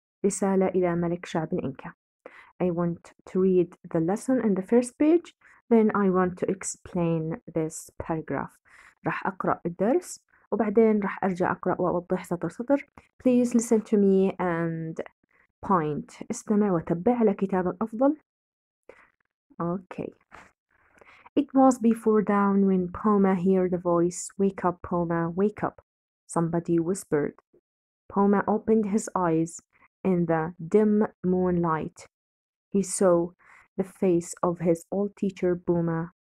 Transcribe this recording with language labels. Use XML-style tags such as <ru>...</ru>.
<ar>رسالة إلى ملك شعب الإنكا.</ar> <en>I want to read the lesson in the first page. Then I want to explain this paragraph.</en> <ar>راح أقرأ الدرس. وبعدين راح أرجع أقرأ وأوضح سطر سطر.</ar> <en>Please listen to me and point.</en> <ar>استمع وتبع على كتابك أفضل.</ar> <en>Okay. It was before dawn when Poma heard the voice. Wake up, Poma, wake up. Somebody whispered. Poma opened his eyes in the dim moonlight. He saw the face of his old teacher, Buma.</en>